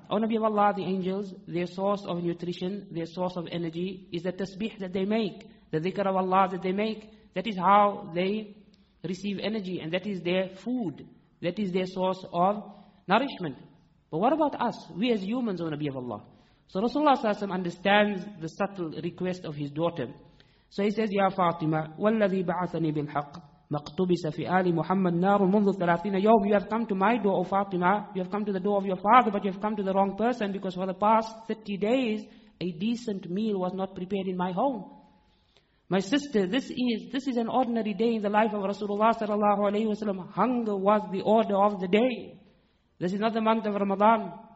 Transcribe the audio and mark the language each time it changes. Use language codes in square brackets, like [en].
[en] O Nabi of Allah, the angels, their source of nutrition, their source of energy is the tasbih that they make, the dhikr of Allah that they make. That is how they receive energy, and that is their food. That is their source of nourishment. But what about us? We as humans, O Nabi of Allah. So Rasulullah ﷺ understands the subtle request of his daughter. So he says, Ya Fatima, [ar] وَالَّذِي بَعَثَنِي بِالْحَقِّ مَقْتُبِسَ فِي آلِ مُحَمَّدْ نَارٌ مُنْذُ ثَلَاثِينَ يَوْمٍ. [en] You have come to my door, O Fatima. You have come to the door of your father, but you have come to the wrong person, because for the past 30 days, a decent meal was not prepared in my home. My sister, this is an ordinary day in the life of Rasulullah ﷺ. Hunger was the order of the day. This is not the month of Ramadan.